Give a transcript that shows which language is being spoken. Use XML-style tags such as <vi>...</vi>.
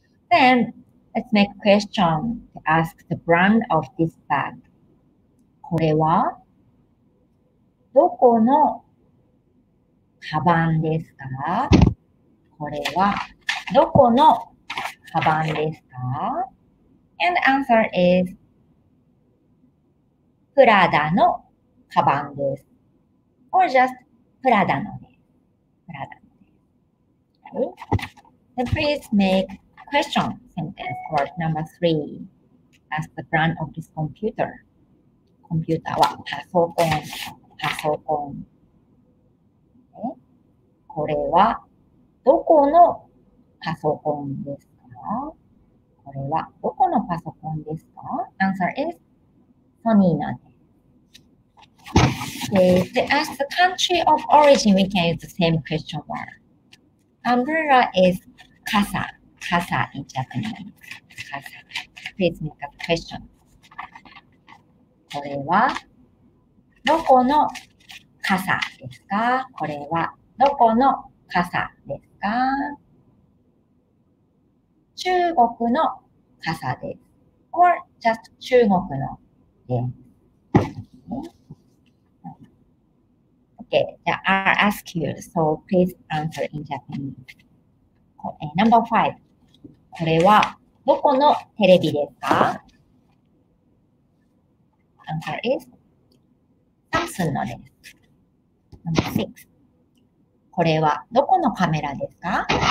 <en>Then, let's make a question to ask the brand of this bag.</en> <ja>これはどこのカバンですか? これはどこのカバンですか?</ja> <en>And the answer is</en> <ja>プラダのカバンです。</ja> <en>Or just</en> <ja>プラダのです。</ja> <en>Then please make question sentence for number three. Ask the brand of this computer. Computer</en> <ja>はパソコン、パソコン。これはどこのパソコンですか? これはどこのパソコンですか?</ja> <en>Answer is</en> <ja>ソニーのです。</ja> <en>Okay, to ask the country of origin, we can use the same question mark. Umbrella is casa, casa in Japanese. Casa. Please make a question.</en> <ja>これはどこの傘ですか? これはどこの傘ですか? 中国の傘です。Or just 中国の傘です。</ja> <en>Okay, I'll ask you, so please answer in Japanese. Number five.</en> <ja>これはどこのテレビですか?</ja> <en>Answer is Samsung</en> <ja>のです。</ja> <en>Number six.</en> <ja>これはどこのカメラですか?</ja>